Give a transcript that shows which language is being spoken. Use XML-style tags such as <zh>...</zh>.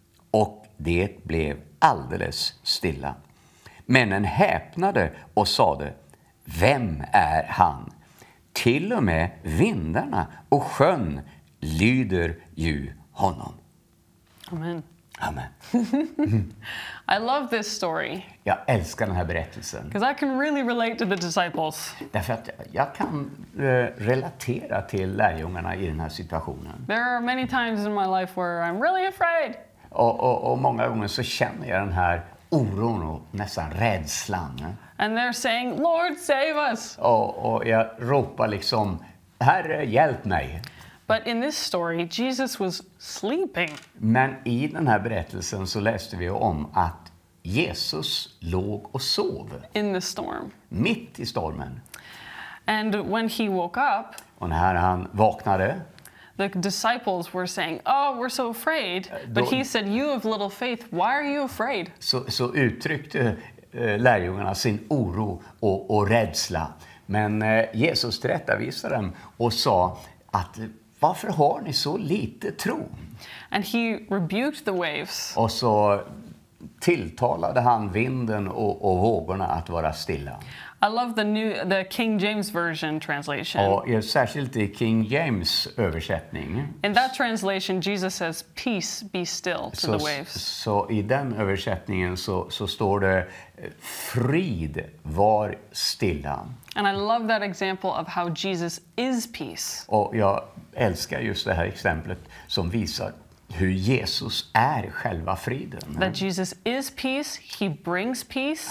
<sv>Och det blev alldeles stilla. Männen häpnade och sade: Vem är han? Till och med vindarna och sjön lyder ju honom. Amen. Amen.</sv> <en>I love this story.</en> <sv>Jag älskar den här berättelsen.</sv> <en>Because I can really relate to the disciples.</en> <sv>Därför att jag kan relatera till lärjungarna i den här situationen.</sv> <en>There are many times in my life where I'm really afraid.</en> <sv>Och många gånger så känner jag den här oron och nästan rädslan.</sv> <en>And they're saying, Lord, save us.</en> <sv>Och jag ropar liksom: Herre, hjälp mig.</sv> <en>But in this story, Jesus was sleeping.</en> <sv>Men i den här berättelsen så läste vi om att Jesus låg och sov.</sv> <en>In the storm.</en> <sv>Mitt i stormen.</sv> <en>And when he woke up.</en> <sv>Och när han vaknade.</sv> <en>The disciples were saying, oh, we're so afraid. But he said, you have little faith, why are you afraid?</en> <sv>Så uttryckte lärjungarna sin oro och rädsla. Men Jesus tillrättavisade dem och sa att: Varför har ni så lite tro?</sv> <en>And he rebuked the waves.</en> <sv>Och så tilltalade han vinden och vågorna att vara stilla.</sv> <en>I love the King James version translation.</en> <sv>Och särskilt i King James översättning.</sv> <en>In that translation Jesus says peace be still to the waves.</en> <sv>Så i den översättningen så står det frid var stilla.</sv> <en>And I love that example of how Jesus is peace.</en> <sv>Och jag älskar just det här exemplet som visar hur Jesus är själva friden.</sv> <en>That Jesus is peace, he brings peace,</en>